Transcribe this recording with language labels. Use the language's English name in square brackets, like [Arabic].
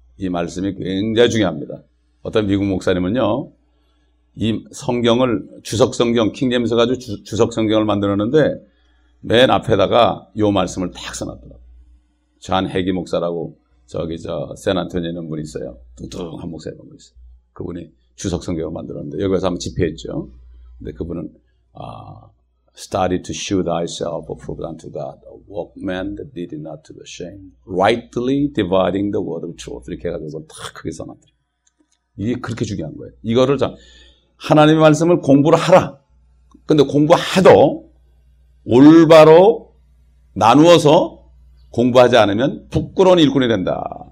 [Korean] 이 말씀이 굉장히 중요합니다. 어떤 미국 목사님은요, 이 성경을 주석성경, 킹제임스 가지고 주석성경을 만들었는데 맨 앞에다가 이 말씀을 딱 써놨더라고요. 존 해기 목사라고 저기 저 샌안토니오 있는 분이 있어요. 뚱뚱한 목사님 있어요. 그분이 주석성경을 만들었는데 여기 가서 한번 집회했죠. 근데 그분은 [English] Study to show thyself approved unto God, a workman that did not to the shame, rightly dividing the word of truth. [Korean] 이렇게 해가지고 탁 크게 써놨더라. 이게 그렇게 중요한 거예요. 이거를 참, 하나님의 말씀을 공부를 하라. 근데 공부하도 올바로 나누어서 공부하지 않으면 부끄러운 일꾼이 된다.